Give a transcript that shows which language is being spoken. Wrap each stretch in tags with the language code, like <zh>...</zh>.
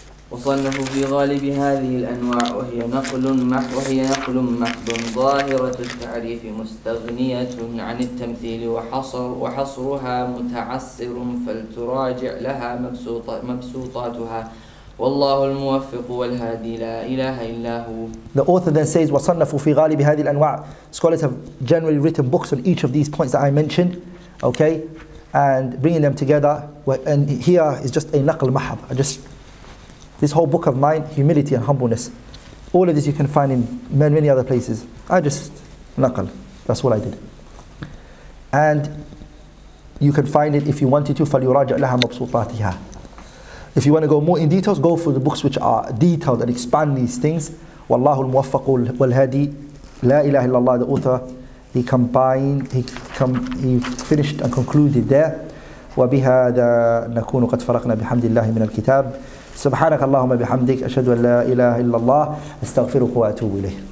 <ar>وصنف في غالب هذه الأنواع وهي نقل محض ظاهرة التعريف مستغنية عن التمثيل وحصرها متعسر فلتراجع لها مبسوطاتها والله الموفق والهادي لا إله إلا هو.</ar> <en>The author then says</en> <ar>وصنفوا في غالب هذه الأنواع.</ar> <en>Scholars have generally written books on each of these points that I mentioned, okay, and bringing them together. And here is just a naql mahab. This whole book of mine, humility and humbleness. All of this you can find in many, many other places. I just naql. That's what I did. And you can find it if you wanted to.</en> <ar>فليراجع لها مبسوطاتها.</ar> <en>If you want to go more in details, go for the books which are detailed and expand these things.</en> <ar>والله الموفق والهادي لا إله إلا الله.</ar> <en>The author, he finished and concluded there.</en> <ar>وبهذا نكون قد فرقنا بحمد الله من الكتاب. سبحانك اللهم بحمدك أشهد أن لا إله إلا الله أستغفرك وأتوب إليه.</ar>